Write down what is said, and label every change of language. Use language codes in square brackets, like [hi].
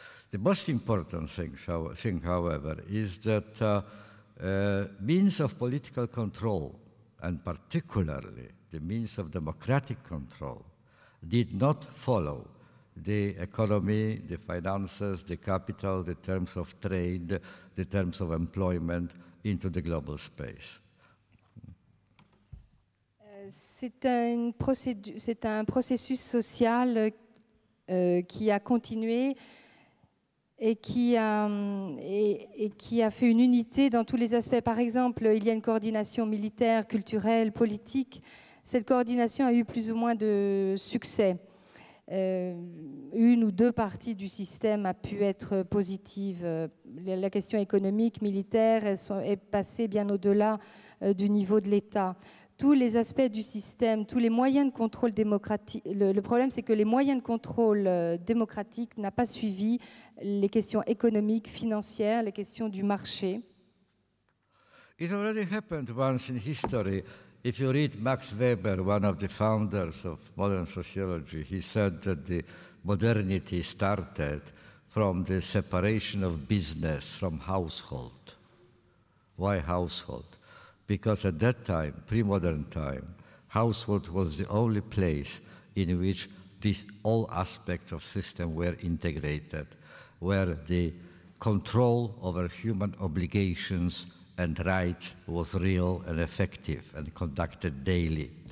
[en] The most important thing, however, is that means of political control, and particularly the means of democratic control, did not follow the economy, the finances, the capital, the terms of trade, the terms of employment into the global space. [fr] C'est un processus social qui a continué et qui a fait une unité dans tous les aspects. Par exemple, il y a une coordination militaire, culturelle, politique. Cette coordination a eu plus ou moins de succès. une ou deux parties du système a pu être positive. La question économique, militaire, est passée bien au-delà du niveau de l'État. Tous les aspects du système, tous les moyens de contrôle démocratique, le problème c'est que les moyens de contrôle démocratique n'ont pas suivi les questions économiques, financières, les questions du marché. [en] It already happened once in history. If you read Max Weber, one of the founders of modern sociology, he said that the modernity started from the separation of business from household. Why household? Because at that time, pre-modern time, household was the only place in which these all aspects of system were integrated, where the control over human obligations and rights was real and effective and conducted daily.